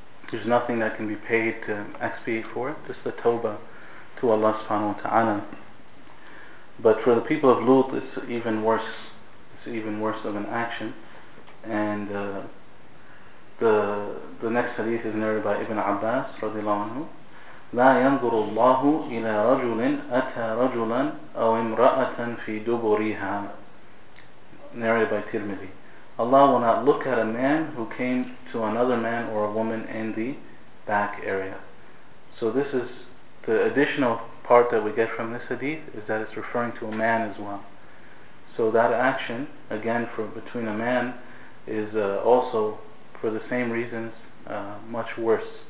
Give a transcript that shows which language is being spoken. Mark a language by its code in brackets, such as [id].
[en] There's nothing that can be paid to expiate for it. Just the tawbah to Allah subhanahu wa ta'ala. But for the people of Lut, it's even worse. It's even worse of an action. And the next hadith is narrated by Ibn Abbas radiallahu anhu. [ar] لا ينظر الله إلى رجل أتى رجلا أو امرأة في دبرها. [en] Narrated by Tirmidhi. Allah will not look at a man who came to another man or a woman in the back area. So this is the additional part that we get from this hadith, is that it's referring to a man as well. So that action, again, for between a man, is also, for the same reasons, much worse.